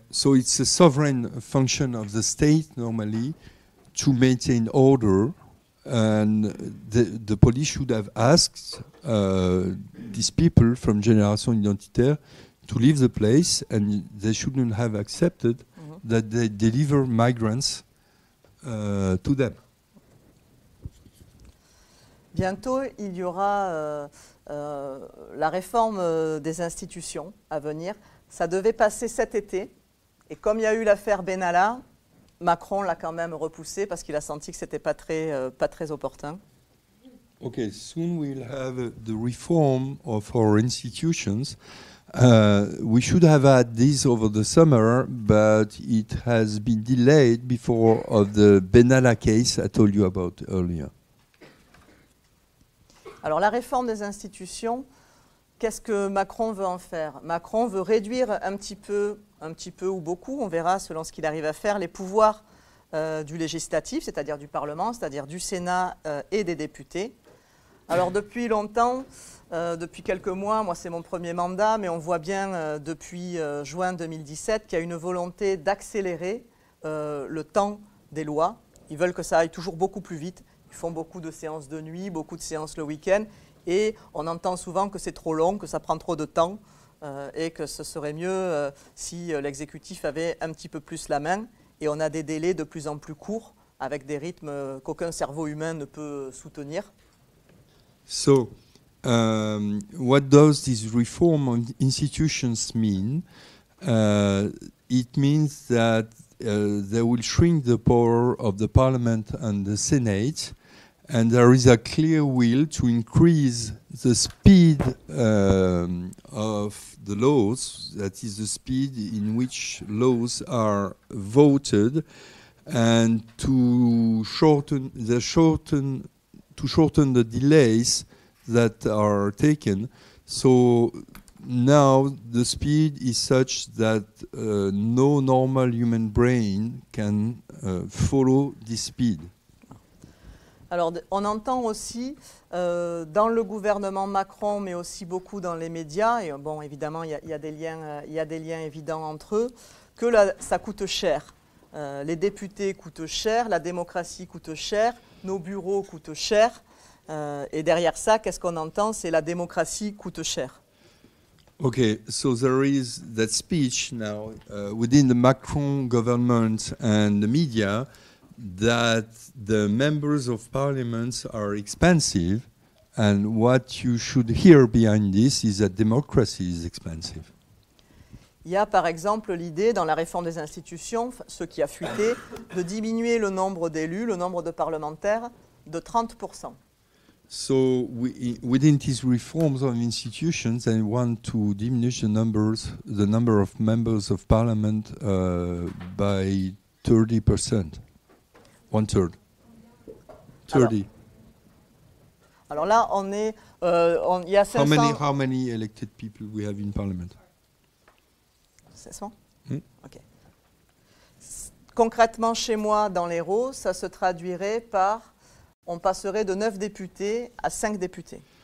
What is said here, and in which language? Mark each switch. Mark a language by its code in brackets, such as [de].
[en] So it's a sovereign function of the state normally to maintain order, and the police should have asked these people from Génération Identitaire to leave the place, and they shouldn't have accepted that they deliver migrants to them. [fr] Bientôt, il y aura la réforme des institutions à venir. Ça devait passer cet été. Et comme il y a eu l'affaire Benalla, Macron l'a quand même repoussé parce qu'il a senti que ce n'était pas très opportun. [en] OK, soon we'll have the reform of our institutions. We should have had this over the summer, but it has been delayed before of the Benalla case I told you about earlier. [fr] Alors la réforme des institutions, qu'est-ce que Macron veut en faire? Macron veut réduire un petit peu ou beaucoup, on verra selon ce qu'il arrive à faire, les pouvoirs du législatif, c'est-à-dire du Parlement, c'est-à-dire du Sénat et des députés. Alors depuis longtemps, depuis quelques mois, moi c'est mon premier mandat, mais on voit bien depuis juin 2017 qu'il y a une volonté d'accélérer le temps des lois. Ils veulent que ça aille toujours beaucoup plus vite. Ils font beaucoup de séances de nuit, beaucoup de séances le week-end, et on entend souvent que c'est trop long, que ça prend trop de temps, et que ce serait mieux si l'exécutif avait un petit peu plus la main. Et on a des délais de plus en plus courts, avec des rythmes qu'aucun cerveau humain ne peut soutenir. [en] So, what does this reform of institutions mean? It means that they will shrink the power of the Parliament and the Senate, and there is a clear will to increase the speed of the laws, that is the speed in which laws are voted, and to shorten the delays that are taken. So now the speed is such that no normal human brain can follow this speed. [fr] Alors, on entend aussi dans le gouvernement Macron, mais aussi beaucoup dans les médias, et bon, évidemment, il y a des liens évidents entre eux, que ça coûte cher. Les députés coûtent cher, la démocratie coûte cher, nos bureaux coûtent cher. Et derrière ça, qu'est-ce qu'on entend? C'est la démocratie coûte cher. [en] Okay, so there is that speech now within the Macron government and the media that the members of parliament are expensive, and what you should hear behind this is that democracy is expensive. [fr] Il y a par exemple l'idée dans la réforme des institutions, ce qui a fuité, de diminuer le nombre d'élus, le nombre de parlementaires, de 30%. [en] So within these reforms of institutions, they want to diminish the numbers, the number of members of parliament by 30%. One third. 30. [fr] Alors là, on est, on y a 500. [en] How many elected people we have in parliament? 500. Ok. [fr] Concrètement, chez moi, dans l'Hérault, ça se traduirait par on passerait de 9 députés à 5 députés.